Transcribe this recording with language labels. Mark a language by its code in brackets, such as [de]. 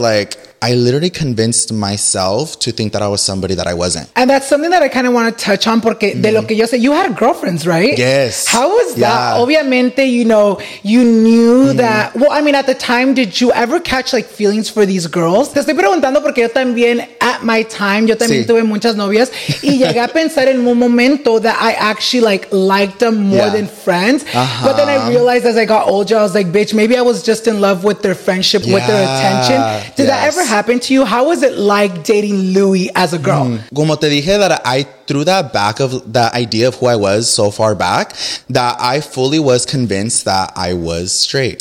[en] Like, I literally convinced myself to think that I was somebody that I wasn't. And that's something that I kind of want to touch on, [es] porque de lo que yo sé, [en] you had girlfriends, right? Yes. How was that? Obviamente, you know, you knew that. Well, I mean, at the time, did you ever catch like feelings for these girls? [es] Te estoy preguntando porque yo también, [en] at my time, [es] yo también tuve muchas novias. Y llegué a pensar en un momento [en] that I actually like liked them more than friends. Uh-huh. But then I realized as I got older, I was like, bitch, maybe I was just in love with their friendship, with their attention. Did that ever happened to you? How was it like dating Louie as a girl? [es] Como te dije, [en] that I threw that back of the idea of who I was so far back, that I fully was convinced that I was straight.